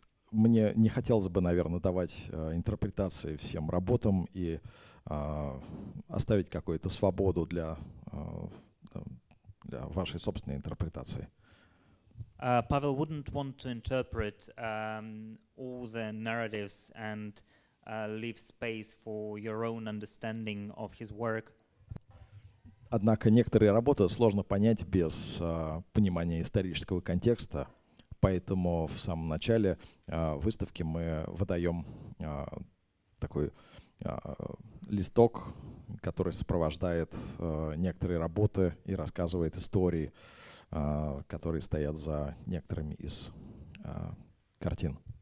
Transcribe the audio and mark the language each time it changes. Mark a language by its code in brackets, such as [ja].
[ru] Мне не хотелось бы, наверное, давать интерпретации всем работам и оставить какую-то свободу для вашей собственной интерпретации. [en] Павел wouldn't want to interpret all the narratives and leave space for your own understanding of his work. [ru] Однако некоторые работы сложно понять без понимания исторического контекста, поэтому в самом начале выставки мы выдаем такой листок, который сопровождает некоторые работы и рассказывает истории, которые стоят за некоторыми из картин.